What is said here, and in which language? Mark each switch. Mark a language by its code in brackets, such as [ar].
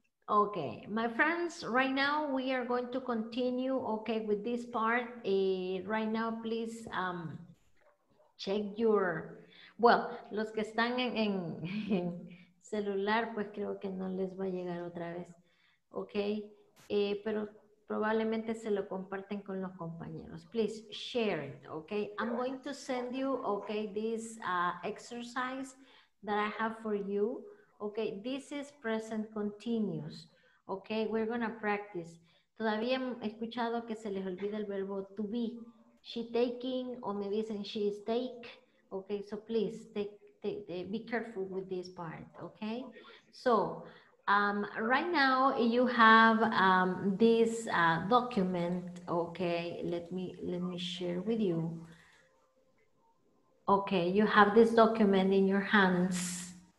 [en] Okay, my friends, right now we are going to continue, okay, with this part. Right now, please check your... [es] Well, los que están en celular, pues creo que no les va a llegar otra vez, ¿ok? Pero probablemente se lo comparten con los compañeros. [en] Please, share it, ¿ok? I'm going to send you, ¿ok? This exercise that I have for you, ¿ok? This is present continuous, ¿ok? We're going to practice. [es] Todavía he escuchado que se les olvida el verbo to be. [en] She taking, [es] o me dicen [en] she is take. Okay, so please be careful with this part, okay? So, right now you have this document, okay? Let me share with you. Okay, you have this document in your hands.